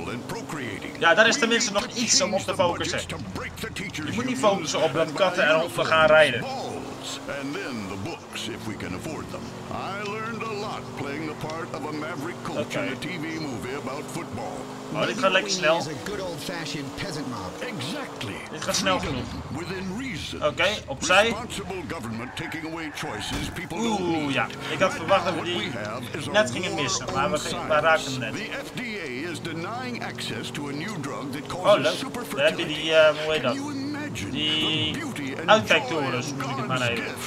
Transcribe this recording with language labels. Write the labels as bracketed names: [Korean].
[Dutch] Oké. Ja, daar is tenminste nog iets om op te focussen. Je moet niet focussen op dat katten en honden gaan rijden. [English] And then the books, if we can afford them. I learned a lot playing the part of a maverick coach in a TV movie about football. [Dutch] Oh, dit gaat lekker snel. [English] A good old-fashioned peasant mob. Exactly. [Dutch] Dit gaat snel genoeg. [English] Within reason. [Dutch] Oké, opzij. [English] Responsible government taking away choices people don't need. [Dutch] Oeh, ja. Ik had verwacht dat we die net gingen missen, maar we raakten hem net. [English] The FDA is denying access to a new drug that causes super fertility. [Dutch] Oh, leuk. Daar heb je die, hoe heet dat? Die uitkijktorens, moet ik het maar nemen.